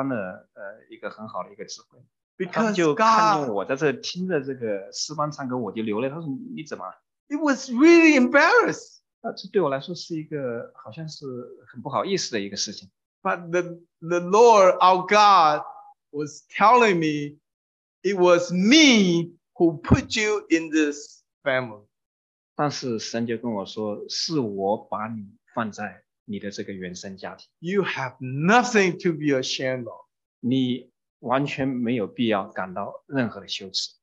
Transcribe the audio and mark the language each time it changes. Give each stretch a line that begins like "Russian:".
Chinese: 我太太坐我旁边，另外一边就是也是一个诗班的一个很好的一个指挥。他就看见我在这听着这个诗班唱歌，我就流泪。他说：“你怎么？”
English: It was really embarrassed.
Chinese: 这对我来说是一个好像是很不好意思的一个事情。
English: But the Lord our God was telling me, it was me who put you in this family.
Chinese: 但是神就跟我说，是我把你放在你的这个原生家庭。
English: You have nothing to be ashamed of.
Chinese: 你完全没有必要感到任何的羞耻。